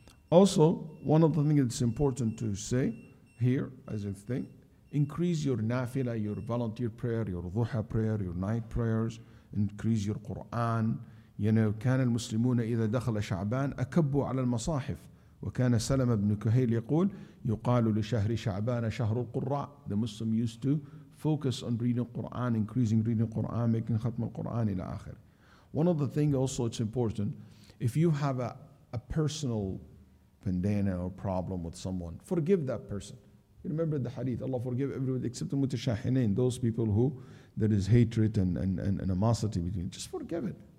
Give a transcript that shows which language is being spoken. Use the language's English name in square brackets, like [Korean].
[English] Also, one of the things that's important to say here, as a thing, increase your nafila, your volunteer prayer, your duha prayer, your night prayers, increase your Quran. You know, [Arabic] كان المسلمون إذا دخل شعبان أكبوا على المصاحف. وكان سلم بن كهيل يقول يقال لشهر شعبان شهر القراء. [English] The Muslim used to focus on reading Quran, increasing reading Quran, making [Arabic] ختم القرآن إلى آخر. [English] One of the things also it's important, if you have a personal pandana or problem with someone, forgive that person. You remember the hadith, Allah forgive everybody except the mutashahineen, those people who there is hatred and animosity between. Just forgive it.